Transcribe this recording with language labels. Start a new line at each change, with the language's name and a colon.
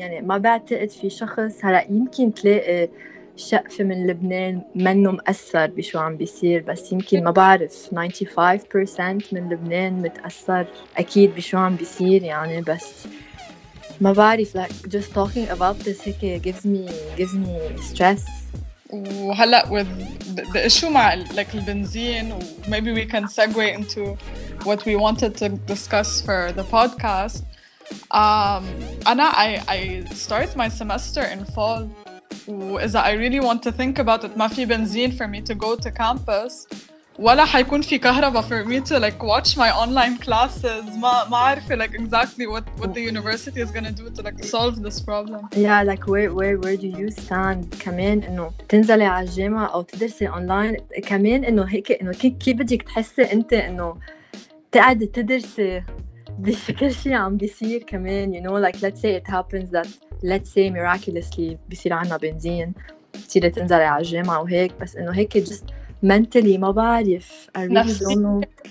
Arabic: يعني ما بعتقد في شخص هلا يمكن تلاقي شقفة من لبنان منه مأثر بشو عم بيصير, بس يمكن ما بعرف 95% من لبنان متأثر أكيد بشو عم بيصير, يعني, بس ما بعرف,
English: like, just talking about this
Arabic: هيك
English: gives me stress.
Arabic: وهلا
English: with the issue
Arabic: مع,
English: like, البنزين, maybe we can segue into what we wanted to discuss for the podcast.
Arabic: أنا
English: I start my semester in fall, is that I really want to think about it.
Arabic: ما في بنزين
English: for me to go to campus,
Arabic: ولا حيكون في كهرباء
English: for me to, like, watch my online classes.
Arabic: ما عارفة,
English: like, exactly what the university is gonna do to, like, solve this problem. Yeah, like, where do you stand?
Arabic: كمان إنه تنزلي على الجامعة أو تدرسي online, كمان إنه هيك إنه كيف بدك تحسي أنت إنه تقعد تدرسي بفكر شيء عم بيصير كمان,
English: you know, like, let's say it happens that, let's say miraculously
Arabic: بيصير عنا بنزين بتصير تنزلي على الجامعة وهيك, بس إنه هيك
English: just mentally
Arabic: ما بعرف,
English: I really don't know.